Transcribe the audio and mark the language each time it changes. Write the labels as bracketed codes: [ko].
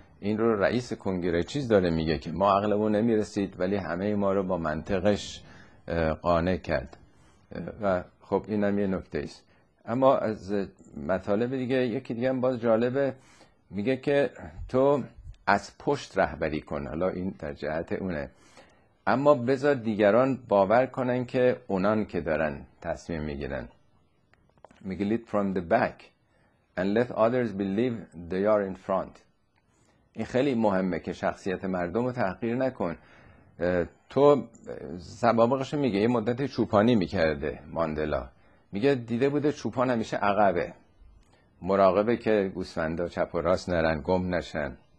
[fa] این رو رئیس کنگره چیز داره میگه که ما عقلمون نمیرسید، ولی همه ما رو با منطقش قانع کرد، و خب اینم یه نکته است. اما از مطالب دیگه، یکی دیگه هم باز جالبه، میگه که تو از پشت رهبری کن، حالا این در جهت اونه، اما بذار دیگران باور کنن که اونان که دارن تصمیم میگیرن. میگه [en] lead from the back and let others believe they are in front. [fa] این خیلی مهمه که شخصیت مردم رو تحقیر نکن. تو سبابقش میگه یه مدت چوپانی میکرده ماندلا، میگه دیده بوده چوپان همیشه عقبه، مراقبه که گوسفندا چپ و راست نرن، گم نشن.